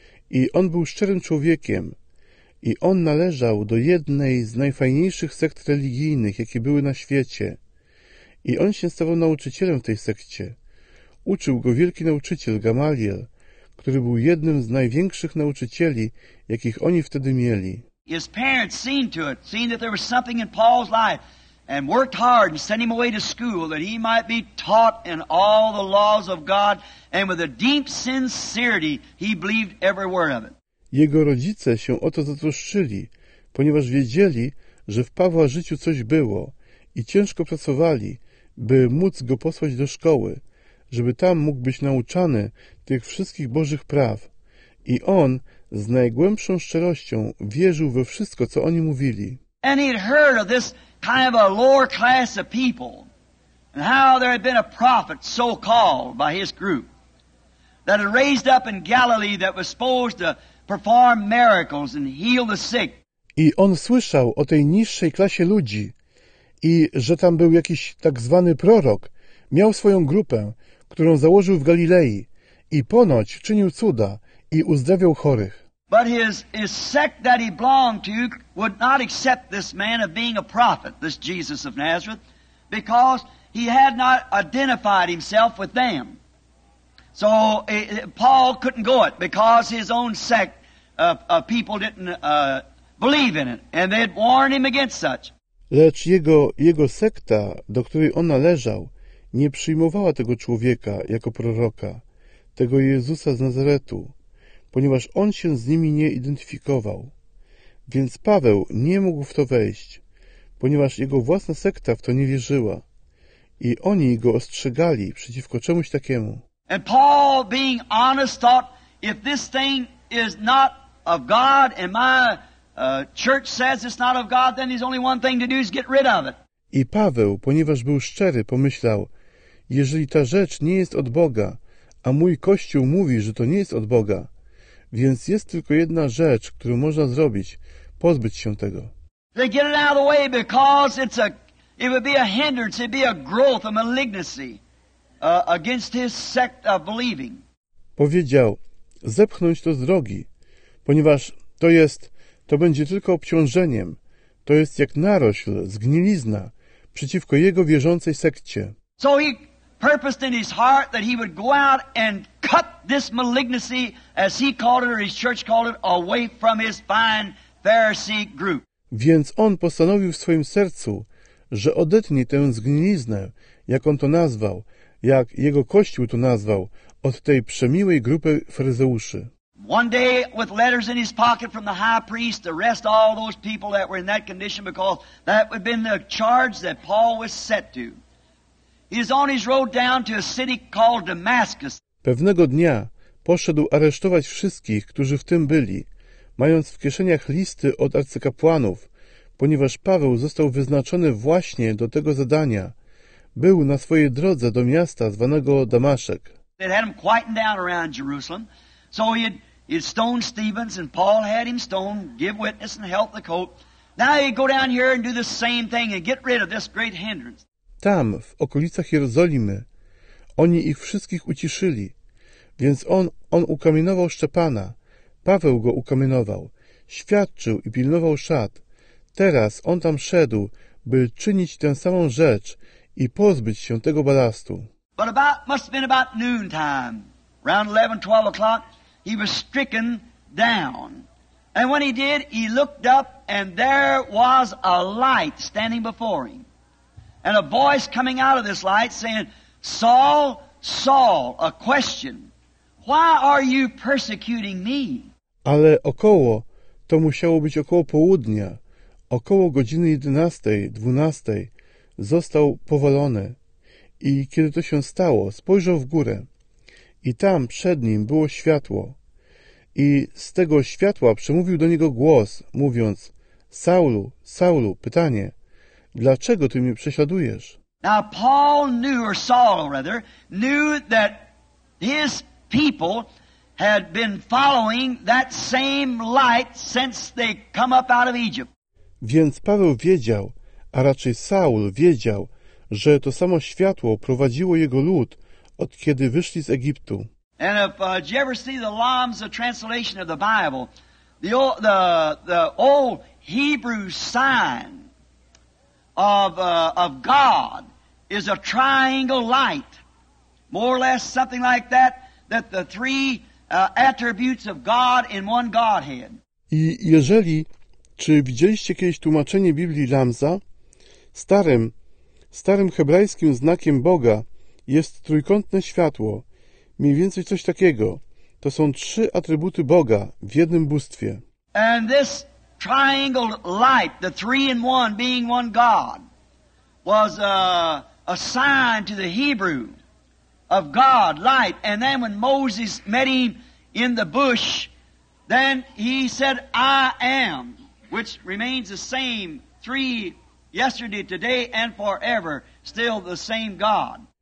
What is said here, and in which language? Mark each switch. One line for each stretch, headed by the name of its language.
Polish: I on był szczerym człowiekiem. I on należał do jednej z najfajniejszych sekt religijnych, jakie były na świecie. I on się stawał nauczycielem w tej sekcie. Uczył go wielki nauczyciel Gamaliel, który był jednym z największych nauczycieli, jakich oni wtedy mieli.
English: His parents seen to it, seen that there was something in Paul's life, and worked hard and sent him away to school that he might be taught in all the laws of God, and with a deep sincerity he believed every word of it.
Polish: Jego rodzice się o to zatroszczyli, ponieważ wiedzieli, że w Pawła życiu coś było i ciężko pracowali, by móc go posłać do szkoły, żeby tam mógł być nauczany tych wszystkich Bożych praw. I on z najgłębszą szczerością wierzył we wszystko, co oni mówili.
English: And he'd heard of this kind of a lower class of people and how there had been a prophet so-called by his group that had raised up in Galilee that was supposed to perform miracles and heal the sick.
Polish: I on słyszał o tej niższej klasie ludzi i że tam był jakiś tak zwany prorok, miał swoją grupę, którą założył w Galilei i ponoć czynił cuda i uzdrawiał chorych.
English: But his sect that he belonged to would not accept this man of being a prophet, this Jesus of Nazareth, because he had not identified himself with them. So Paul couldn't go it because his own sect of people didn't believe in it, and they'd warned him against such.
Polish: Lecz jego sekta, do której on należał, nie przyjmowała tego człowieka jako proroka, tego Jezusa z Nazaretu, ponieważ on się z nimi nie identyfikował. więc Paweł nie mógł w to wejść, ponieważ jego własna sekta w to nie wierzyła i oni go ostrzegali przeciwko czemuś takiemu.
English: And Paul, being honest, thought, if this thing is not of God and my church says it's not of God, then there's only one thing to do is get rid of it.
Polish: I Paweł, ponieważ był szczery, pomyślał, jeżeli ta rzecz nie jest od Boga, a mój kościół mówi, że to nie jest od Boga, więc jest tylko jedna rzecz, którą można zrobić, pozbyć się tego.
English: They get it out of the way because it would be a hindrance, it'd be a growth, a malignancy against his sect of believing.
Polish: Powiedział, zepchnąć to z drogi, ponieważ to będzie tylko obciążeniem, to jest jak narośl, zgnilizna, przeciwko jego wierzącej sekcie.
English: So he purposed in his heart that he would go out and cut this malignancy, as he called it or his church called it, away from his fine Pharisee group.
Polish: Więc on postanowił w swoim sercu, że odetnie tę zgniliznę, jak on to nazwał, jak jego kościół to nazwał, od tej przemiłej grupy faryzeuszy.
English: One day with letters in his pocket from the high priest to arrest all those people that were in that condition because that would have been the charge that Paul was set to. He is on his road down to a city called Damascus.
Polish: Pewnego dnia poszedł aresztować wszystkich, którzy w tym byli, mając w kieszeniach listy od arcykapłanów, ponieważ Paweł został wyznaczony właśnie do tego zadania. Był na swojej drodze do miasta zwanego Damaszek.
English: They had him quieting down around Jerusalem. So he had stoned Stephen's and Paul had him stoned, give witness and help the coat. Now he'd go down here and do the same thing and get rid of this great hindrance.
Polish: Tam, w okolicach Jerozolimy, oni ich wszystkich uciszyli. Więc on ukamienował Szczepana. Paweł go ukamienował. Świadczył i pilnował szat. Teraz on tam szedł, by czynić tę samą rzecz i pozbyć się tego balastu.
English: But about, must have been about noon time. Around 11, 12 o'clock, he was stricken down. And when he did, he looked up, and there was a light standing before him. And a voice coming out of this light saying, Saul, Saul, a question. Why are you persecuting me?
Polish: Ale około, to musiało być około południa, około godziny 11, 12, został powalony. I kiedy to się stało, spojrzał w górę. I tam przed nim było światło. I z tego światła przemówił do niego głos, mówiąc, Saulu, Saulu, pytanie, dlaczego ty mnie prześladujesz?
English: Now Paul knew, or Saul rather, knew that his people had been following that same light since they come up out of Egypt.
Polish: Więc Paweł wiedział, a raczej Saul wiedział, że to samo światło prowadziło jego lud od kiedy wyszli z Egiptu.
English: And if did you ever see the Lamb's translation of the Bible, the old Hebrew sign of God is a triangle light, more or less something like that, that the three attributes of God in one Godhead.
Polish: I jeżeli, czy widzieliście kiedyś tłumaczenie Biblii Lamza, starym hebrajskim znakiem Boga jest trójkątne światło, mniej więcej coś takiego. To są trzy atrybuty Boga w jednym bóstwie.
English: And this triangle light, the three in one being one God, was a sign to the Hebrew of God, light. And then when Moses met him in the bush, then he said, I am, which remains the same three yesterday, today and forever, still the same God.